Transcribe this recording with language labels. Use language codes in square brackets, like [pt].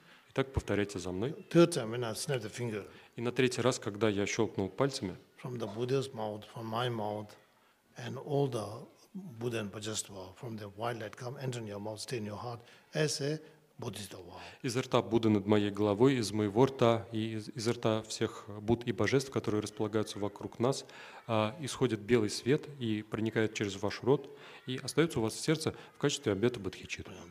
[ru] Итак, повторяйте за мной. И на третий раз, когда я щелкнул пальцами, [en] from the Buddha's mouth, from my mouth, and all the Buddha and Bodhisattva from the wild light come, enter in your mouth, stay in your heart, as a Bodhisattva. [ru] Изо рта Будды над моей головой, из моего рта и изо рта всех Будд и Божеств, которые располагаются вокруг нас, исходит белый свет и проникает через ваш рот и остается у вас в сердце в качестве обета бодхичит.